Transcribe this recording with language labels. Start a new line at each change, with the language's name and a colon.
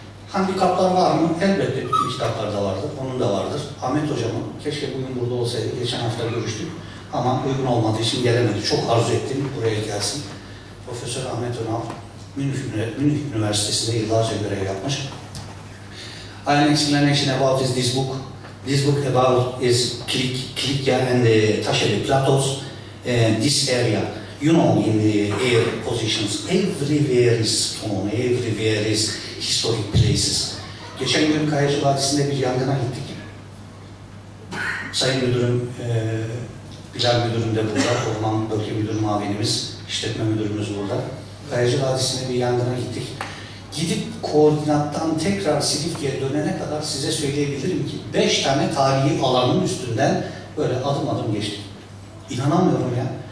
Turkish: Handikaplar var mı? Elbette bütün kitaplar da vardır, onun da vardır. Ahmet hocamın, keşke bugün burada olsaydı, geçen hafta görüştük ama uygun olmadığı için gelemedi. Çok arzu ettim, buraya gelsin. Profesör Ahmet Önal, Münih Üniversitesi'nde yıllarca görev yapmış. Aynen,
English: what is this book? This book about is Kilikya and the Taşeli plateaus and this area. You know, in the air positions, everywhere is stone, everywhere is historic places.
Turkish: Geçen gün Kayacı Vadisi'nde bir yangına gittik. Sayın Müdürüm, Bilal Müdürüm de burada, Orman Bölge Müdür Mavinimiz, İşletme Müdürümüz burada. Kayacı Vadisi'nde bir yangına gittik. Gidip koordinattan tekrar Silifke'ye dönene kadar size söyleyebilirim ki 5 tane tarihi alanın üstünden böyle adım adım geçtim. İnanamıyorum ya.